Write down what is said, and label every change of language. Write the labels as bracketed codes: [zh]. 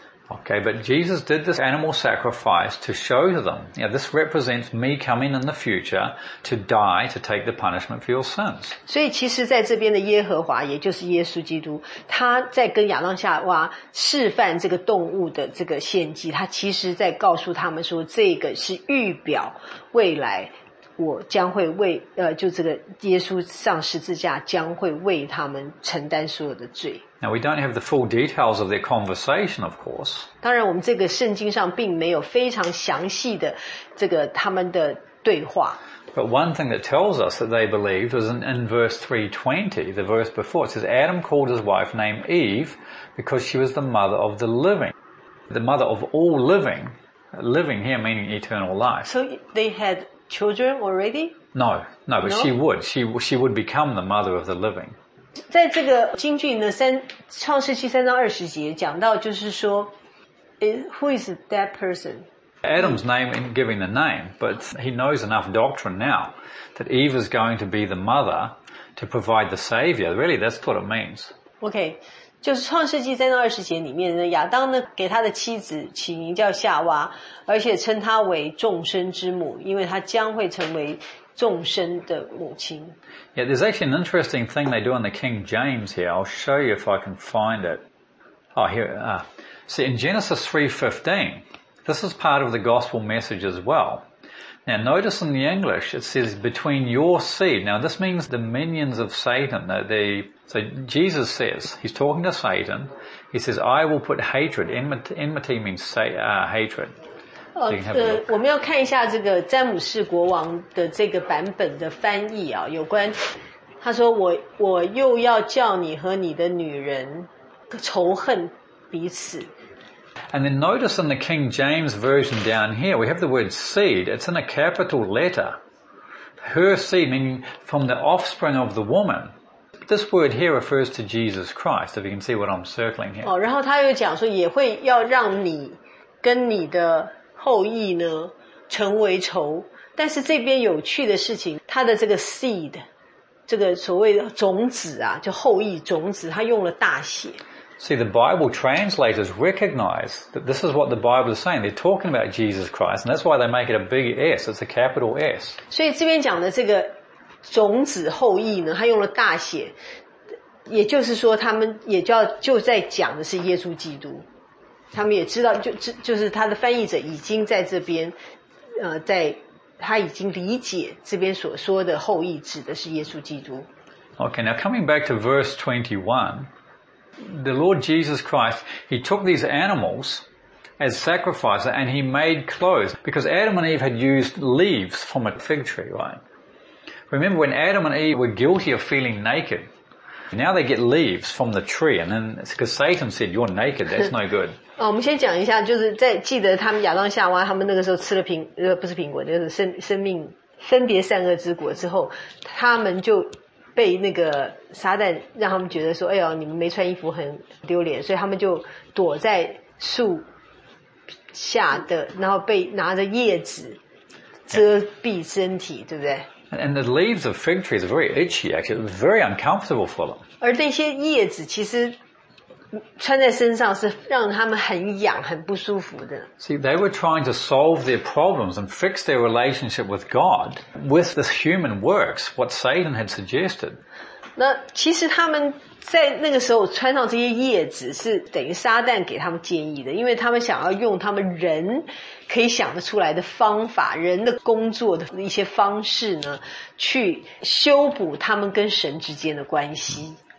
[en] Okay, but Jesus did this animal sacrifice to show to them. Yeah, this represents me coming in the future to die to take the punishment for your sins. [zh] 所以其实在这边的耶和华，也就是耶稣基督，他在跟亚当夏娃示范这个动物的这个献祭，他其实在告诉他们说，这个是预表未来。我将会为就这个耶稣上十字架将会为他们承担所有的罪。 [en] Now we don't have the full details of their conversation, of course. [zh] 当然我们这个圣经上并没有非常详细的这个他们的对话。 [en] But one thing that tells us that they believed was in verse 3:20, the verse before, it says, Adam called his wife named Eve because she was the mother of the living. The mother of all living. Living here meaning eternal life. So they had... Children already? No, but no? She would become the mother of the living. [zh] 在这个经句呢，创世纪三章二十节讲到，就是说 ， [en] Who is that person? Adam's name in giving the name, but he knows enough doctrine now that Eve is going to be the mother to provide the savior. Really, that's what it means. Okay. [zh] 就是创世纪三章二十节里面呢，亚当呢给他的妻子起名叫夏娃，而且称她为众生之母，因为她将会成为众生的母亲。 [en] Yeah, there's actually an interesting thing they do in the King James here. I'll show you if I can find it. Oh, here. See, in Genesis 3:15, this is part of the gospel message as well. Now, notice in the English, it says between your seed. Now, this means the minions of Satan, So Jesus says, he's talking to Satan, he says, I will put hatred, enmity means hatred. [zh] So 我们要看一下这个詹姆士国王的这个版本的翻译啊，有关他说 我又要叫你和你的女人仇恨彼此。 [en] And then notice in the King James version down here, we have the word seed, it's in a capital letter. Her seed, meaning from the offspring of the woman,This word here refers to Jesus Christ, if you can see what I'm circling here. [zh] 然后他又讲说也会要让你跟你的后裔呢成为仇。但是这边有趣的事情，他的这个 seed, 这个所谓的种子啊，就后裔种子，他用了大写。 [en] See, the Bible translators recognize that this is what the Bible is saying. They're talking about Jesus Christ, and that's why they make it a big S, it's a capital S. [zh] 所以这边讲的这个种子后裔呢，他用了大写，也就是说，他们也就在讲的是耶稣基督。他们也知道，就是他的翻译者已经在这边，在他已经理解这边所说的后裔指的是耶稣基督。 [en] Okay, now coming back to verse 21, the Lord Jesus Christ, he took these animals. As sacrifice, and he made clothes because Adam and Eve had used leaves from a fig tree, right? Remember when Adam and Eve were guilty of feeling naked? Now they get leaves from the tree, and then it's because Satan said, "You're naked. That's no good." [zh] 哦，我们先讲一下，就是在记得他们亚当夏娃他们那个时候吃了不是苹果，就是生命分别善恶之果之后，他们就被那个撒旦让他们觉得说，哎呦，你们没穿衣服很丢脸，所以他们就躲在树。下的，然后被拿着叶子遮蔽身体， yeah. 对不对 [en] ？And the leaves of fig trees are very itchy, actually, very uncomfortable for them. [zh] 而那些叶子其实穿在身上是让他们很痒、很不舒服的。 [en] See, they were trying to solve their problems and fix their relationship with God with this human works, what Satan had suggested. [zh] 那其实他们在那个时候穿上这些叶子是等于撒旦给他们建议的，因为他们想要用他们人可以想得出来的方法，人的工作的一些方式呢，去修补他们跟神之间的关系。